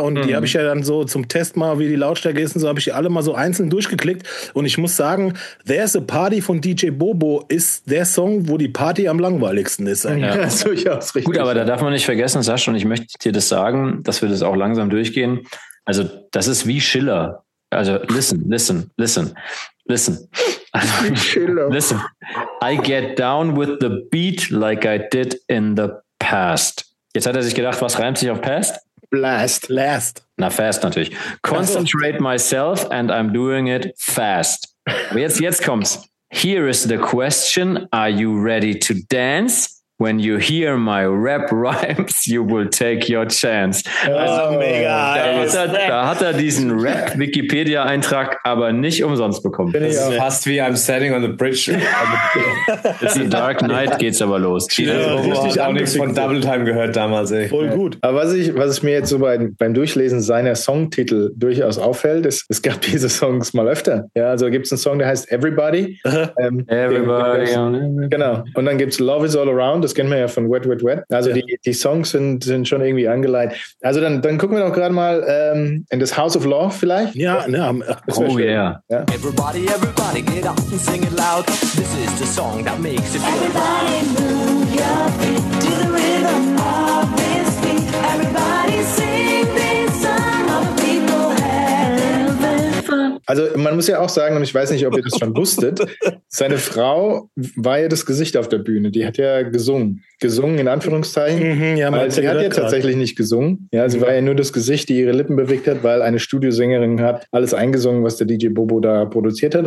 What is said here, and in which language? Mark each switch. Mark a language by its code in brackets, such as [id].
[de] Und die habe ich ja dann so zum Test mal, wie die Lautstärke ist und so, habe ich die alle mal so einzeln durchgeklickt. Und ich muss sagen, There's a Party von DJ Bobo ist der Song, wo die Party am langweiligsten ist. Ja, ja, ist durchaus richtig. Gut, aber da darf man nicht vergessen, Sascha, und ich möchte dir das sagen, dass wir das auch langsam durchgehen. Also, das ist wie Schiller. Also, [en] listen. Listen, I get down with the beat like I did in the past. [de] Jetzt hat er sich gedacht, was reimt sich auf past? Blast. Last. Na, fast natürlich. [en] Concentrate myself and I'm doing it fast. [de] Aber jetzt kommt's. [en] Here is the question, are you ready to dance? When you hear my rap rhymes, you will take your chance. [de] Oh, also, mega. Da hat er diesen Rap-Wikipedia-Eintrag aber nicht umsonst bekommen. Das ist fast wie [en] I'm standing on the bridge. [de] It's a dark night, geht's aber los. Ich habe auch nichts von Double Time gehört damals. Ey. Voll gut. Aber was ich mir jetzt so beim Durchlesen seiner Songtitel durchaus auffällt, ist, es gab diese Songs mal öfter. Ja, also gibt es einen Song, der heißt Everybody. Everybody. Genau. Und dann gibt es Love is All Around. Das kennen wir ja von Wet, Wet, Wet. Also die Songs sind schon irgendwie angeleitet. Also dann gucken wir doch gerade mal in das House of Law vielleicht. Ja, ja. Ja. [en] Everybody, everybody, get up and sing it loud. This is the song that makes it feel. Everybody move your feet to the rhythm of this beat. Everybody sing this song of the people heaven. [de] Also man muss ja auch sagen, und ich weiß nicht, ob ihr das schon wusstet, seine Frau war ja das Gesicht auf der Bühne. Die hat ja gesungen. Gesungen in Anführungszeichen. Mhm, ja, weil sie hat ja tatsächlich nicht gesungen. Ja, sie war ja nur das Gesicht, die ihre Lippen bewegt hat, weil eine Studiosängerin hat alles eingesungen, was der DJ Bobo da produziert hat.